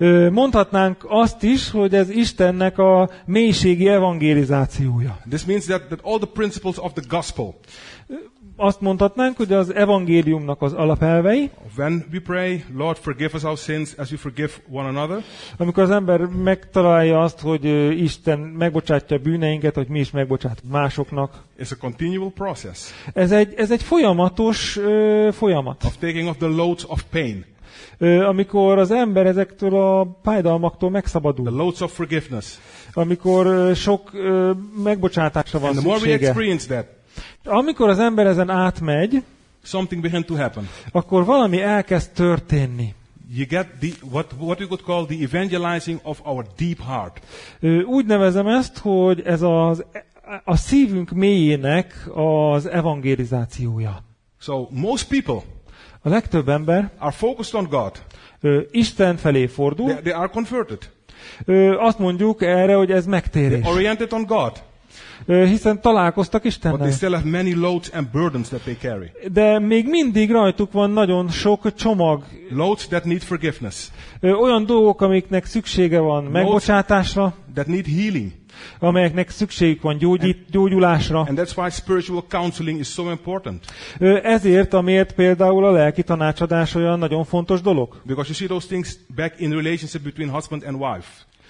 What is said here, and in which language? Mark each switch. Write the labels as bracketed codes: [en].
[hu] Mondhatnánk azt is, hogy ez Istennek a mélységi evangelizációja. [en] This means that all the principles of the gospel. [hu] Azt mondhatnánk, hogy az evangéliumnak az alapelvei. [en] When we pray, Lord, forgive us our sins as we forgive one another. [hu] Amikor az ember megtalálja azt, hogy Isten megbocsátja bűneinket, hogy mi is megbocsátunk másoknak. [en] It's a continual process. [hu] Ez egy folyamatos folyamat. [en] Of taking off the loads of pain. [hu] Amikor az ember ezektől a fájdalmaktól megszabadul. [en] The loads of forgiveness. [hu] Amikor sok megbocsátásra van szüksége. [en] And the more we experience that, [hu] amikor az ember ezen átmegy, [en] something began to happen. [hu] Akkor valami elkezd történni. [en] You get the what you could call the evangelizing of our deep heart. [hu] Úgy nevezem ezt, hogy ez a szívünk mélyének az evangelizációja. [en] So most people, [hu] a legtöbb ember, [en] are focused on God. [hu] Isten felé fordul. [en] They are converted. [hu] Azt mondjuk erre, hogy ez megtérés. [en] They oriented on God. [hu] Hiszen találkoztak Istennel. [en] But they still have many loads and burdens that they carry. [hu] De még mindig rajtuk van nagyon sok csomag. [en] Loads that need forgiveness. [hu] Olyan dolgok, amiknek szüksége van megbocsátásra. [en] That need healing. [hu] Amelyeknek szükségük van gyógyulásra. [en] And that's why spiritual counseling is so important. [hu] Ezért, amiért például a lelki tanácsadás olyan nagyon fontos dolog. [en] Because you see those things back in relationship between husband and wife.